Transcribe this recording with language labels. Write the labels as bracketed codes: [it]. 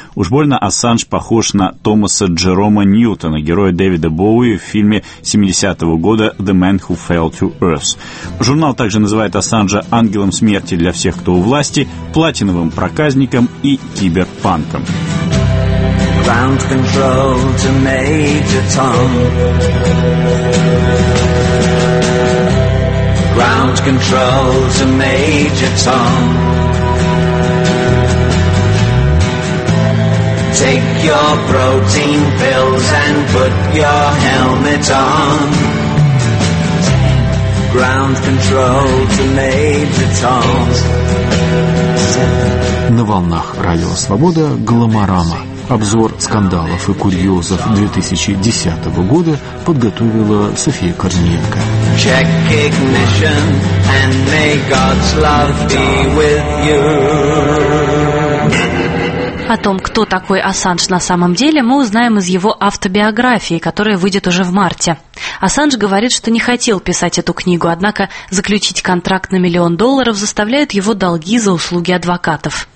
[ru] Уж больно Ассанж похож на Томаса Джерома Ньютона, героя Дэвида Боуи в фильме 70-го года «The man who fell to earth». Журнал также называет Ассанжа «ангелом смерти для всех, кто у власти», «платиновым проказником» и «киберпанком». [en] Ground control to Major Tom. Ground control to Major Tom. Take your protein pills and put your helmet on. 10, ground control to Major Tom. [ru] На волнах Радио Свобода «Гламорама». Обзор скандалов и курьезов 2010 года подготовила София Корниенко. [en] Check ignition and may God's love be with you. [ru] О том, кто такой Ассанж на самом деле, мы узнаем из его автобиографии, которая выйдет уже в марте. Ассанж говорит, что не хотел писать эту книгу, однако заключить контракт на $1 миллион заставляют его долги за услуги адвокатов.